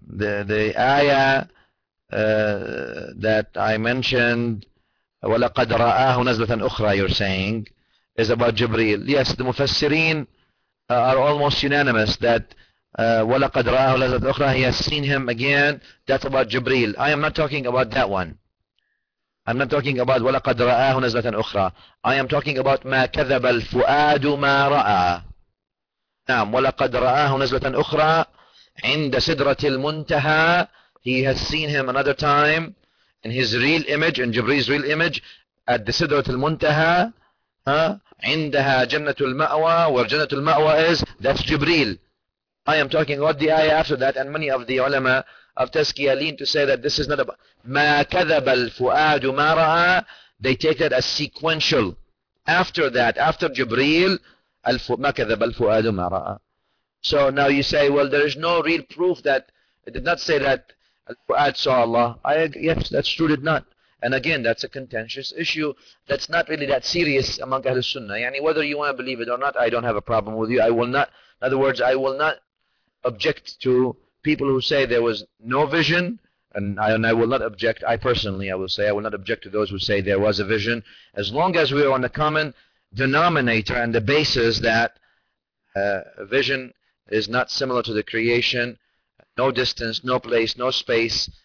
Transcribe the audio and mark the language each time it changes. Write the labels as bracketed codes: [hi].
[en] The ayah that I mentioned, [ar] وَلَقَدْ رَآهُ نَزْلَةً أُخْرَى, [en] you're saying, is about Jibreel. Yes, the Mufassirin are almost unanimous that [ar] وَلَقَدْ رَآهُ نَزْلَةً أُخْرَى, [en] he has seen him again, that's about Jibreel. I am not talking about that one. I'm not talking about [ar] وَلَقَدْ رَآهُ نَزْلَةً أُخْرَى. [en] I am talking about [ar] مَا كَذَبَ الْفُؤَادُ مَا رَآهُ. نعم, وَلَقَدْ رَآهُ نَزْلَةً أُخْرَى عِنْدَ سِدْرَةِ الْمُنْتَهَى. [en] He has seen him another time in his real image, in Jibreel's real image, at the Sidratul Muntaha. [ar] عِنْدَهَا جَنَّةُ الْمَأْوَى, [en] where [ar] جَنَّةُ الْمَأْوَى [en] is, that's Jibreel. I am talking about the ayah after that, and many of the ulama of Tazkiyah lean to say that this is not about [ar] مَا كَذَبَ الْفُؤَادُ مَا رَآهُ. [en] They take that as sequential. After that, after Jibreel, [ar] مَا كَذَبَ الْفُؤَادُ مَا رَآهُ. [en] So now you say, well, there is no real proof that it did not say that Al-Fu'ad saw Allah. I agree. Yes, that's true, did not. And again, that's a contentious issue. That's not really that serious among Ahlul Sunnah. Yani, whether you want to believe it or not, I don't have a problem with you. I will not, in other words, I will not object to people who say there was no vision, and I will not object, I will not object to those who say there was a vision, as long as we are on the common denominator and the basis that vision is not similar to the creation, no distance, no place, no space.